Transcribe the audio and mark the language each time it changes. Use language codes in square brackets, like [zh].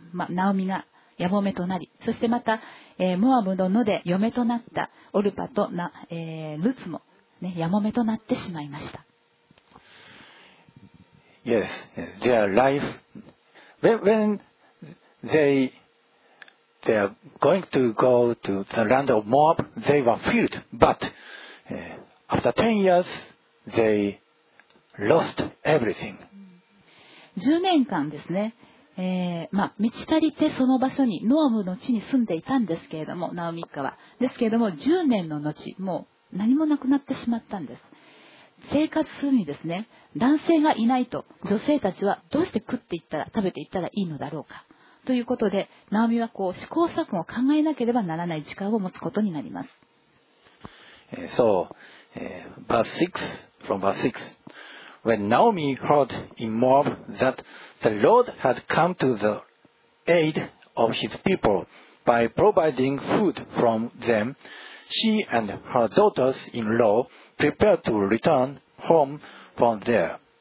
[ja] ナオミがヤモメとなり、そしてまた、モアブの野で嫁となったオルパとな、ルツも、ね、ヤモメとなってしまいました。 [en] Yes, their life when they are going to go to the land of Moab, they were filled, but after 10 years they lost everything. [ja] 10年間ですね、満ち足りてその場所にノアムの地に住んでいたんですけれども、ナオミ一家はですけれども、10年の後もう何もなくなってしまったんです。生活するにですね、男性がいないと女性たちはどうして食べていったらいいのだろうかということで、ナオミはこう試行錯誤を考えなければならない時間を持つことになります。 [en] So verse 6 When Naomi heard in Moab that the Lord had come to the aid of his people by providing food from them, she and her daughters-in-law prepared to return home from there.